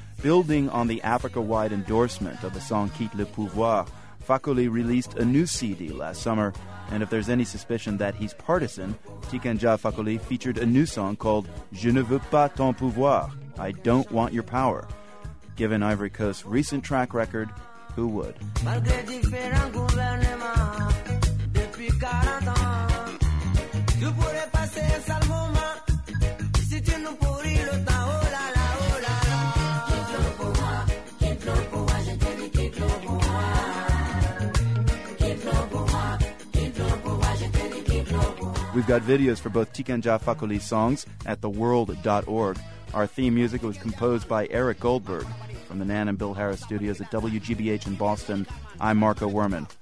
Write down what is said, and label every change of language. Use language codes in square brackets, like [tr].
[en] Building on the Africa-wide endorsement of the song Quitte le Pouvoir, Fakoly released a new CD last summer. And if there's any suspicion that he's partisan, Tikenja Fakoly featured a new song called Je ne veux pas ton pouvoir, I don't want your power. Given Ivory Coast's recent track record, who would? [fr] Malgré différents gouvernements depuis 40 ans, tu pourrais passer un sale moment si tu nous pourris le temps. Oh là là, oh là là. Quitte le pouvoir, quitte le pouvoir, je te dis quitte le pouvoir. [en] We've got videos for both Tikenja Fakoly's songs at theworld.org. Our theme music was composed by Eric Goldberg. From the Nan and Bill Harris studios at WGBH in Boston, I'm Marco Werman.